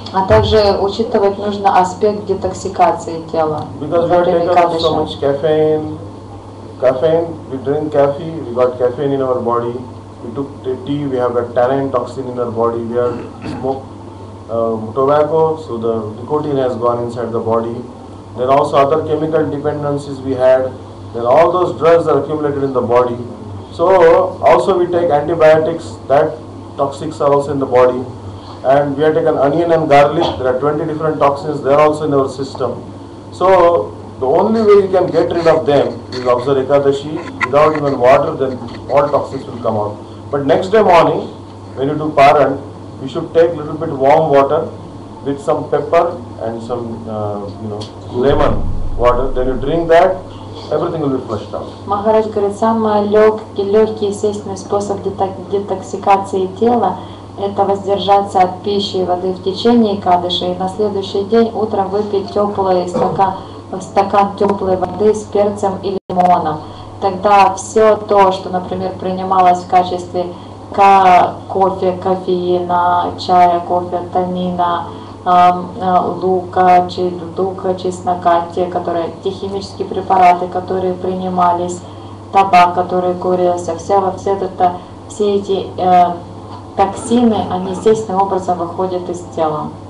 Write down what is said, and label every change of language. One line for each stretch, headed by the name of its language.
Russian: А также учитывать нужно аспект детоксикации тела.
English: Because we are taking so much caffeine. Caffeine, we drink coffee, we got caffeine in our body. We took tea, we have a tannin toxin in our body. We have smoked tobacco, so the nicotine has gone inside the body. Then also other chemical dependencies we had. Then all those drugs are accumulated in the body. So also we take antibiotics, that toxics are also in the body. And we have taken onion and garlic, there are 20 different toxins, they are also in our system. So the only way you can get rid of them is observe Ekadashi. Without even water, then all toxins will come out. But next day morning, when you do Paran, you should take a little bit warm water with some pepper and some lemon water. Then you drink that, everything will be flushed out.
Russian: Maharaj говорит, самый легкий естественный способ детоксикации тела – это воздержаться от пищи и воды в течение Экадаши и на следующий день утром выпить теплое стакан теплой воды с перцем и лимоном. Тогда все то, что, например, принималось в качестве кофе, кофеина, чая, кофе, танина, лука, чеснока, те химические препараты, которые принимались, табак, который курился, все эти токсины, они естественным образом выходят из тела.